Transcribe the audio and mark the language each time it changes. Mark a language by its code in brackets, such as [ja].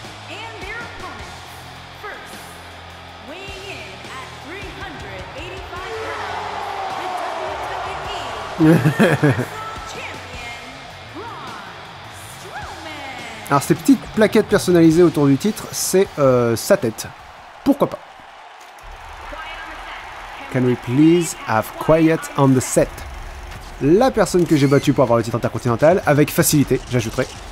[en] And their opponent, first, weighing in at 385 pounds, the WWE champion, Braun Strowman. [fr] Alors ces petites plaquettes personnalisées autour du titre, c'est sa tête. Pourquoi pas? [en] Can we please have quiet on the set? [fr] La personne que j'ai battue pour avoir le titre intercontinental, avec facilité, j'ajouterai.